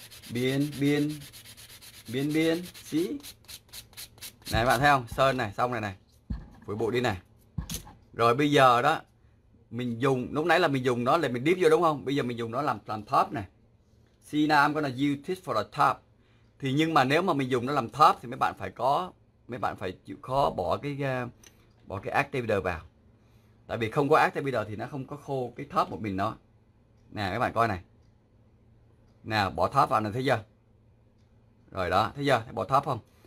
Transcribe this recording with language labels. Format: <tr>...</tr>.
<vi>Biên, biên, biên, biên, xí. Này bạn thấy không? Sơn này, xong này này. Phủi bụi đi này. Rồi bây giờ đó mình dùng, lúc nãy là mình dùng nó để mình dip vô đúng không? Bây giờ mình dùng nó làm top này.</vi> <en>Sina I'm gonna use this for the top.</en> <vi>Thì nhưng mà nếu mà mình dùng nó làm top thì mấy bạn phải chịu khó bỏ cái activator vào. Tại vì không có activator thì nó không có khô cái top một mình nó. Nè các bạn coi này. Nè, bỏ top vào này, thấy chưa? Rồi đó, thấy chưa? Thấy bỏ top không?</vi>